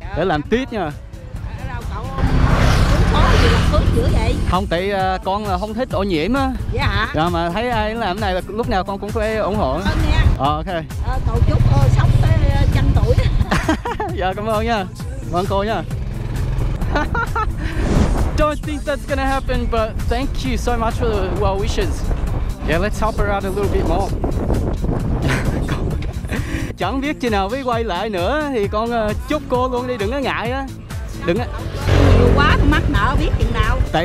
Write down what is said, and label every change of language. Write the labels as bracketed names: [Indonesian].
[Vietnamese] Để làm tiếp nha. Đâu cậu cũng khó gì làm phước dữ vậy. Không, tại con là không thích ô nhiễm á. Dạ hả? Rồi mà thấy ai làm này là lúc nào con cũng phải ủng hộ. Cảm ơn nha. Ok. Cậu chúc cô sống tới trăm tuổi. Dạ cảm ơn nha. Cảm ơn cô nha. [English] Don't think that's gonna happen, but thank you so much for the well wishes. Yeah, let's help her out a little bit more. [Vietnamese] Chẳng biết chừng nào mới quay lại nữa, thì con chúc cô luôn đi, đừng có ngại á. Đừng. Nhiều quá mắc nợ biết chừng nào.